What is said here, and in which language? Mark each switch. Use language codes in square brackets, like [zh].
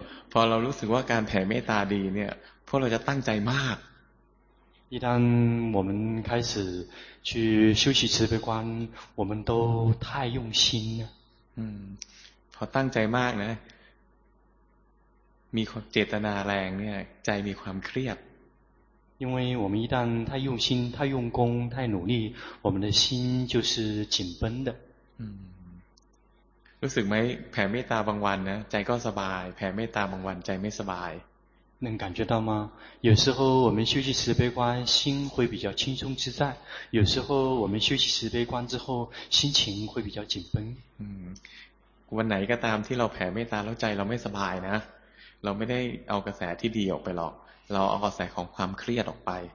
[th] พอเรารู้สึกว่าการแผ่เมตตาดีเนี่ยพวกเราจะตั้งใจมาก [zh] 一旦我们开始去修习慈悲观我们都太用心了 [th] พอตั้งใจมากนะมีเจตนาแรงเนี่ยใจมีความเครียด [zh] 因为我们一旦太用心太用功太努力我们的心就是紧绷的 [th] รู้สึกไหมแผ่เมตตาบางวันนะใจก็สบายแผ่เมตตาบางวันใจไม่สบาย [zh] 能感觉到吗有时候我们修习慈悲观心会比较轻松自在有时候我们修习慈悲观之后心情会比较紧绷 [th] วันไหนก็ตามที่เราแผ่เมตตาแล้วใจเราไม่สบายนะเราไม่ได้เอากระแสที่ดีออกไปหรอกเราเอากระแสของความเครียดออกไป